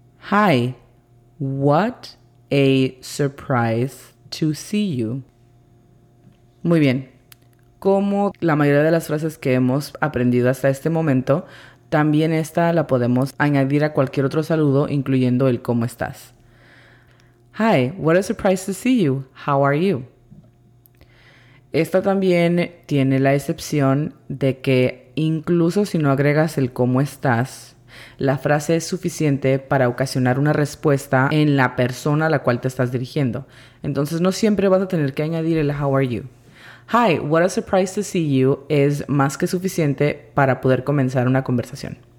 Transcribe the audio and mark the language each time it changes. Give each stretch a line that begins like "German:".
English: Hi, what a surprise to see you.
Spanish: Muy bien. Como la mayoría de las frases que hemos aprendido hasta este momento, también esta la podemos añadir a cualquier otro saludo, incluyendo el cómo estás.
English: Hi, what a surprise to see you. How are you?
Spanish: Esta también tiene la excepción de que incluso si no agregas el cómo estás, la frase es suficiente para ocasionar una respuesta en la persona a la cual te estás dirigiendo. Entonces no siempre vas a tener que añadir el how are you.
English: Hi, what a surprise to see you
Spanish: es más que suficiente para poder comenzar una conversación.